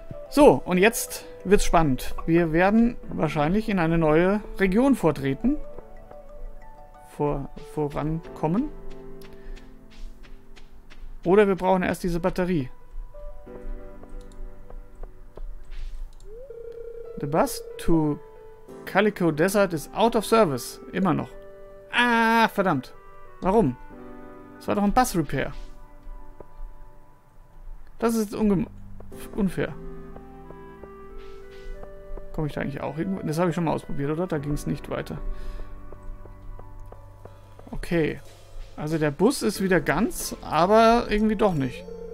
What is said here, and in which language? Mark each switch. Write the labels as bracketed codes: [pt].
[de] So, und jetzt wird's spannend. Wir werden wahrscheinlich in eine neue Region vortreten. Vorankommen. Oder wir brauchen erst diese Batterie. [en] The bus to Calico Desert is out of service. [de] Immer noch. Ah, verdammt. Warum? Das war doch ein Bus-Repair. Das ist unfair. Komme ich da eigentlich auch irgendwo? Das habe ich schon mal ausprobiert, oder? Da ging es nicht weiter. Okay. Also der Bus ist wieder ganz, aber irgendwie doch nicht.